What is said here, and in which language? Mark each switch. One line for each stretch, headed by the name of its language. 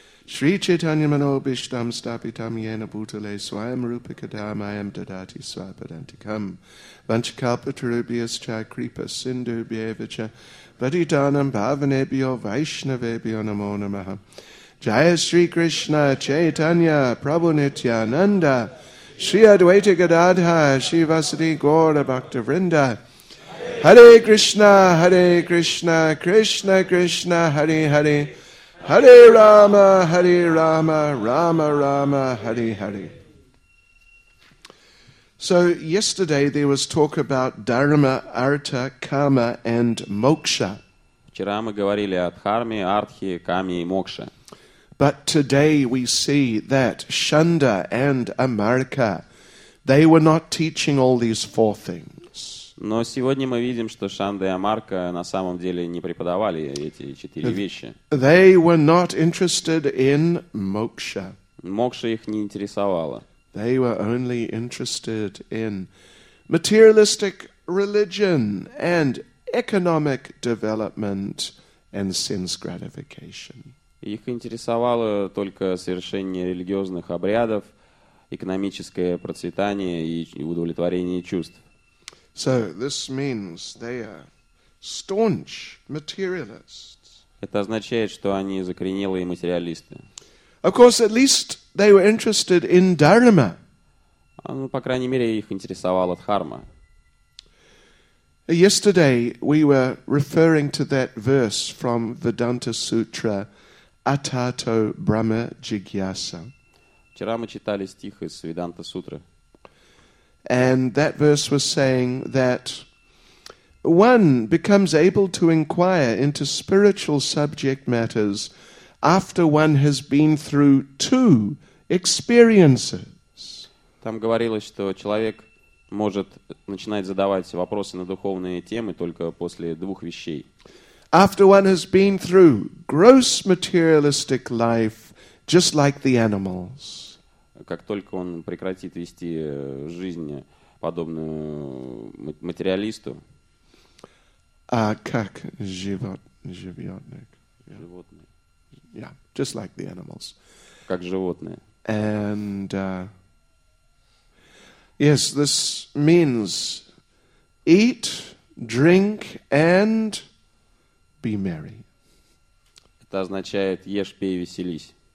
Sanskrit: Шри Чайтанья Манобиштам Стапитам Йена Бутале Свайам Рупикадам Айам Дадати Свападантикам Ванчакалпатарубиас Ча Крипа Синду Бьевича Бадитанам Бхавнебио Вайшнавебио Намо Намаха Джая Шри Кришна Чайтанья Прабху Нитья Нанда Шри Адвайта Гададха Шри Васади Гора Бхакта Вринда Харе Кришна Харе Кришна Кришна Кришна Хари Хари Hare Rama, Hare Rama, Rama Rama, Hare Hare.
English: So yesterday there was talk about dharma, artha, kama and moksha.
Russian: Вчера мы говорили о дхарме, артхе, каме и мокше.
English: But today we see that Shanda and Amarka, they were not teaching all these four things.
Russian: Но сегодня мы видим, что Шанда и Амарка на самом деле не преподавали эти четыре вещи.
English: They were not interested in moksha.
Russian: Мокша их не интересовала.
English: They were only interested in materialistic religion and economic development and sense gratification.
Russian: Их интересовало только совершение религиозных обрядов, экономическое процветание и удовлетворение чувств.
English: So this means they are staunch materialists.
Russian: Это означает, что они закоренелые материалисты.
English: Of course, at least they were interested in dharma.
Russian: Ну, по крайней мере, их интересовала дхарма.
English: Yesterday we were referring to that verse from Vedanta Sutra,
Sanskrit: Atato Brahma Jigyasa.
Russian: Вчера мы читали стих из Веданта Сутры.
English: And that verse was saying that one becomes able to inquire into spiritual subject matters after one has been through two experiences.
Russian: Там говорилось, что человек может начинать задавать вопросы на духовные темы только после двух вещей.
English: After one has been through gross materialistic life, just like the animals.
Russian: Как только он прекратит вести жизнь, подобную материалисту. А как животник? Животные.
English: Yeah, just like the animals.
Russian: Как животные.
English: And, yes, this means eat, drink, and be merry.
Russian: Это означает ешь, пей, веселись.